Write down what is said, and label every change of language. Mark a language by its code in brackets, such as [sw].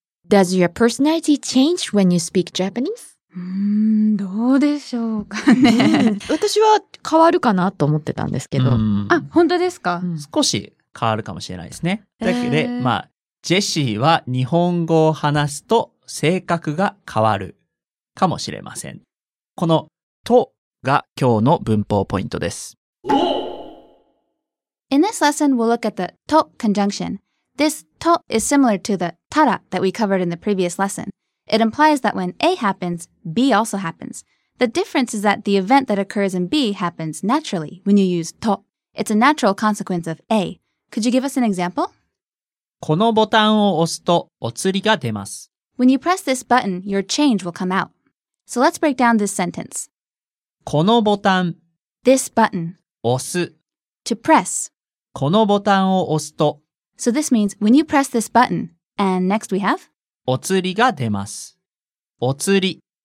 [en] Does your personality change when you speak Japanese? [ja] どうでしょうかね。私は変わるかなと思ってたんですけど。あ、本当ですか。少し変わるかもしれないですね。だけど、まあ、Jesse は日本語を話すと性格が変わるかもしれません。このとが今日の文法ポイントです。 [en] In this lesson, we'll look at the と conjunction. This to is similar to the tara that we covered in the previous lesson. It implies that when A happens, B also happens. The difference is that the event that occurs in B happens naturally when you use to. It's a natural consequence of A. Could you give us an example? [ja] このボタンを押すとお釣りが出ます。 [en] When you press this button, your change will come out. So let's break down this sentence. [ja] このボタン [en] This button [ja] 押す [en] To press [ja] このボタンを押すと [en] So this means when you press this button, and next we have? [ja] お釣りが出ます。お釣り